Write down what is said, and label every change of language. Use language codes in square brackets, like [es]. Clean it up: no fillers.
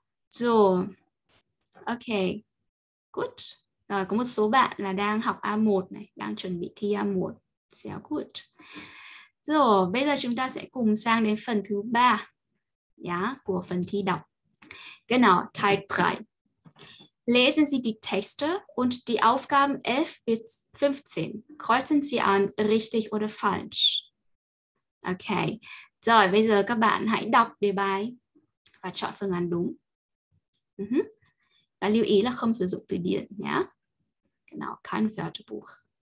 [vi] Rồi, ok, good. Rồi, có một số bạn là đang học A1 này, đang chuẩn bị thi A1, sehr good. Rồi, bây giờ chúng ta sẽ cùng sang đến phần thứ ba, của phần thi đọc. Cái nào, Teil 3. [de] Lesen Sie die Texte und die Aufgaben 11 bis 15. Kreuzen Sie an richtig oder falsch. Ok. [vi] Rồi, bây giờ các bạn hãy đọc đề bài và chọn phương án đúng. Và lưu ý là không sử dụng từ điển nhé. [de] Genau, kein Wörterbuch.